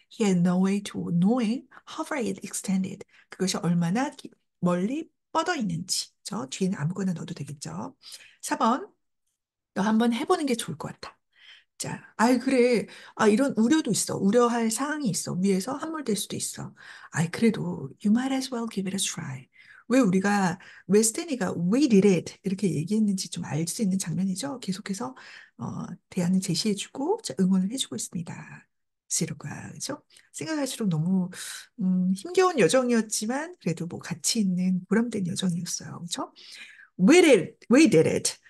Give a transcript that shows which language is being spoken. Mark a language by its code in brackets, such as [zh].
[en] He had no way to knowing how far it extended. [ko] 그것이 얼마나 멀리 뻗어 있는지. 저 뒤에는 아무거나 넣어도 되겠죠. 4번. 너 한번 해보는 게 좋을 것 같아. 자, 아이, 그래. 아, 이런 우려도 있어. 우려할 사항이 있어. 위에서 함몰될 수도 있어. 아이, 그래도 [en] you might as well give it a try. [ko] 왜 우리가, 왜 스테니가 [en] we did it [ko] 이렇게 얘기했는지 좀알수 있는 장면이죠. 계속해서 대안을 제시해주고 응원을 해주고 있습니다. 그죠? 생각할수록 너무 힘겨운 여정이었지만 그래도 뭐 가치 있는 보람된 여정이었어요. 그렇죠? [en] We did it.